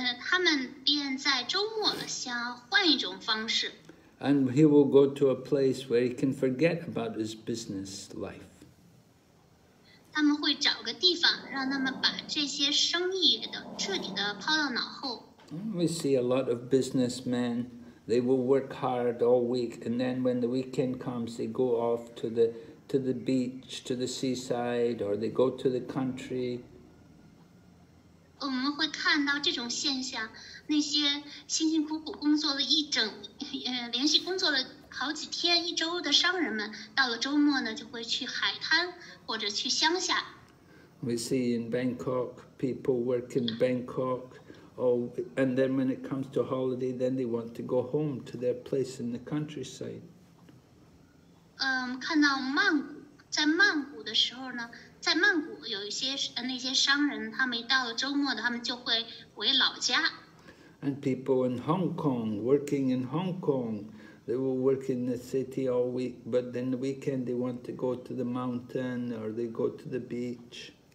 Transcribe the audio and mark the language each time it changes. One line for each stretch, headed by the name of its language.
Chinese: 他们便在周末想换一种方式。
English: And he will go to a place where he can forget about his business life.
Chinese: 他们会找个地方，让他们把这些生意的彻底的抛到脑后。
English: We see a lot of businessmen, they will work hard all week, and then when the weekend comes, they go off to the beach, to the seaside, or they go to the country.
Chinese: 我们会看到这种现象，那些辛辛苦苦工作了一整，连续工作了好几天、一周的商人们，到了周末呢，就会去海滩或者去乡下。
English: We see in Bangkok people work in Bangkok, and then when it comes to holiday, then they want to go home to their place in the countryside.
Chinese: 看到曼谷，在曼谷的时候呢。在曼谷有一些那些商人，他们一到了周末的，他们就会回老家。
English: And people in Hong Kong, working in Hong Kong, they will work in the city all week, but then the weekend they want to go to the mountain or they go to the beach.